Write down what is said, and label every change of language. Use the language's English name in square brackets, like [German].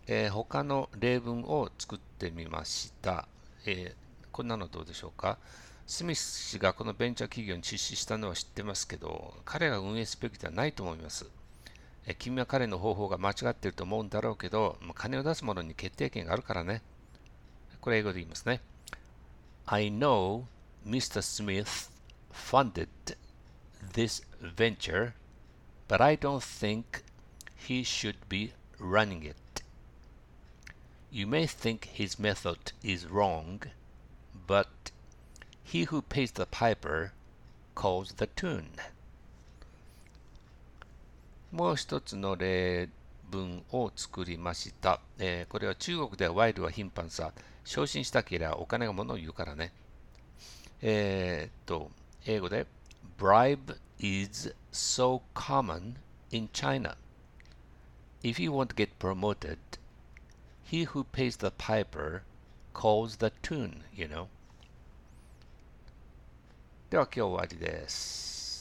[Japanese] 他の例文を作ってみました。こんなのどうでしょうか。スミス氏がこのベンチャー企業に出資したのは知ってますけど、彼が運営すべきではないと思います。君は彼の方法が間違っていると思うんだろうけど、金を出す者に決定権があるからね。これ英語で言いますね。 [English] I know Mr. Smith funded this venture, but I don't think he should be running it. You may think his method is wrong,But he who pays the piper calls the tune。 [Japanese] もう一つの例文を作りました。これは中国では賄賂は頻繁さ。昇進したけりゃお金が物を言うからね。英語で [English] Bribe is so common in China. If you want to get promoted, he who pays the piper calls the tune, you know. [Japanese] では今日終わりです。